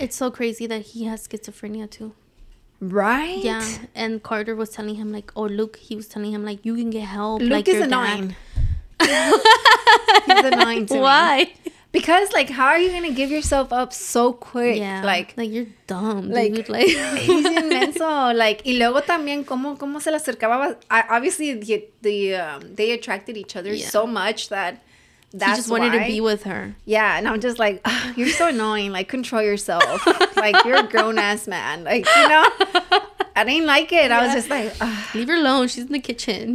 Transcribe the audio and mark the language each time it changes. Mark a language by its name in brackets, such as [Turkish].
[English] it's so crazy that he has schizophrenia too. Right? Yeah. And Carter was telling him like, oh, Luke, he was telling him like, you can get help. Luke is annoying. He's annoying to Why? Me. Because like, how are you gonna give yourself up so quick? Yeah. Like you're dumb. Like, dude. Like he's inmenso. Like, [Spanish] y luego también cómo se le acercaba. [English] Obviously they attracted each other so much that's he just wanted to be with her. Yeah, and I'm just like, oh, you're so annoying. Like, control yourself. Like, you're a grown ass man. Like, you know. I didn't like it. Yeah. I was just like, ugh. Leave her alone. She's in the kitchen.